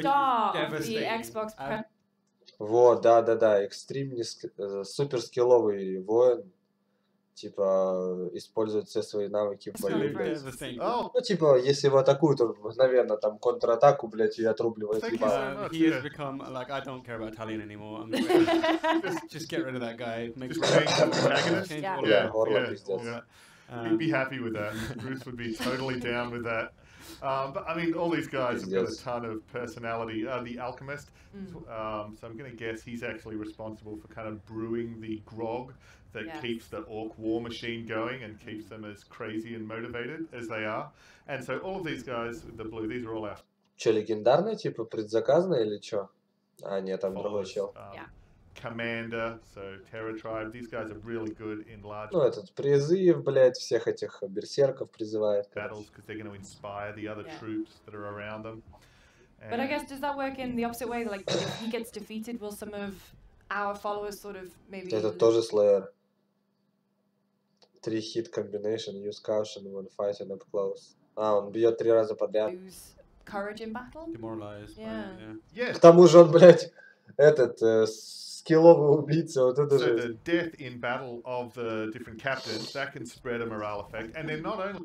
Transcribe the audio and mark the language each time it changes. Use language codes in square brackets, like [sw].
[en] Star of the Xbox press conference. [ru] Вот, да-да-да, экстрим, суперскилловый воин, типа, использует все свои навыки в бою, ну, типа, если его атакуют, он, наверное, там, контратаку, блядь, и отрубливает, типа... [en] He has become, like, I don't care about Talion anymore, I'm gonna just get rid of that guy, make just change the protagonist, yeah. He'd be happy with that, Bruce would be totally down with that. But I mean, all these guys have got a ton of personality. The alchemist, so I'm going to guess he's actually responsible for kind of brewing the grog that keeps the orc war machine going and keeps them as crazy and motivated as they are. And so all of these guys, the blue, these are all our... [ru] Че, легендарные, типа, предзаказанные или че? А, нет, там другой чел. [en] Commander, so Terror Tribe, these guys are really good in large... [ru] Ну, этот призыв, блядь, всех этих берсерков призывает. [en] ...battles, because they're going to inspire the other troops that are around them. And... But I guess, does that work in the opposite way? Like, if he gets defeated, will some of our followers sort of maybe... [ru] Это тоже [en] Slayer. Three hit combination, use caution when fighting up close. [ru] А, он бьет три раза подряд. [en] Use courage in battle? Demoralize. Yeah. [ru] К тому же он, блядь, этот... скилловый убийца, вот это же. [en] So the death in battle of the different captains, that can spread a morale effect, and they're not only...